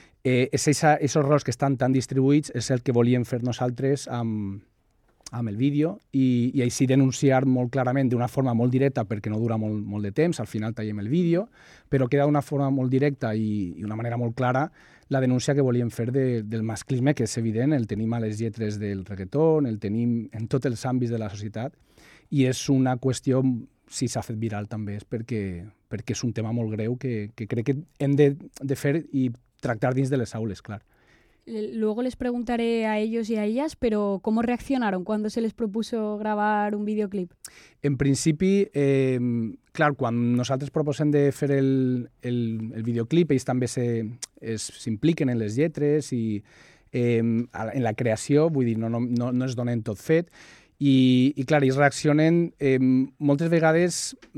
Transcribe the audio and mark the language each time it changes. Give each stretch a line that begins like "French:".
Catalan: Esos rols que estan tan distribuïts és el que volíem fer nosaltres amb el vídeo i així denunciar molt clarament, d'una forma molt directa, perquè no dura molt de temps, al final tallem el vídeo, però queda d'una forma molt directa i una manera molt clara la denúncia que volíem fer del masclisme, que és evident, el tenim a les lletres del reggaeton, el tenim en tots els àmbits de la societat, i és una qüestió, si s'ha fet viral també, és perquè és un tema molt greu que crec que hem de fer i tractar dins de les aules, clar.
Spanish: Luego les preguntaré a ellos y a ellas, pero ¿cómo reaccionaron cuando se les propuso grabar un videoclip?
Catalan: En principi, clar, quan nosaltres proposem de fer el videoclip, ells també s'impliquen en les lletres i en la creació, vull dir, no es donen tot fet. I clar, ells reaccionen moltes vegades...